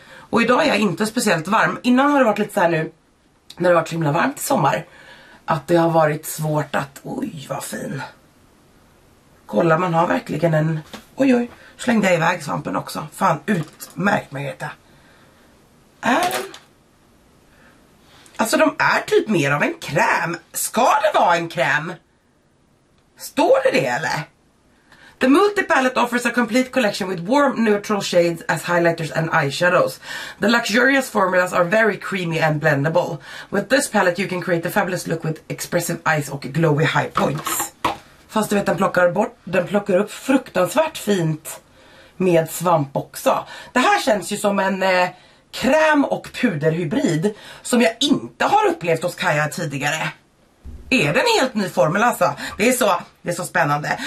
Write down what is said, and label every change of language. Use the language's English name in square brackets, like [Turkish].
[Swedish] Och idag är jag inte speciellt varm. Innan har det varit lite så här nu, när det har varit himla varmt i sommar, att det har varit svårt att, oj vad fin. Kolla, man har verkligen en... Oj, oj. Slängde jag iväg svampen också. Fan, utmärkt, Margareta. Är den... Alltså, de är typ mer av en kräm. Ska det vara en kräm? Står det det, eller? [English] The Multipalette offers a complete collection with warm neutral shades as highlighters and eyeshadows. The luxurious formulas are very creamy and blendable. With this palette you can create a fabulous look with expressive eyes och glowy high points. [Swedish] Fast du vet, den plockar upp fruktansvärt fint med svamp också. Det här känns ju som en kräm- och puderhybrid som jag inte har upplevt hos Kaja tidigare. Är det en helt ny formel alltså? Det är så spännande.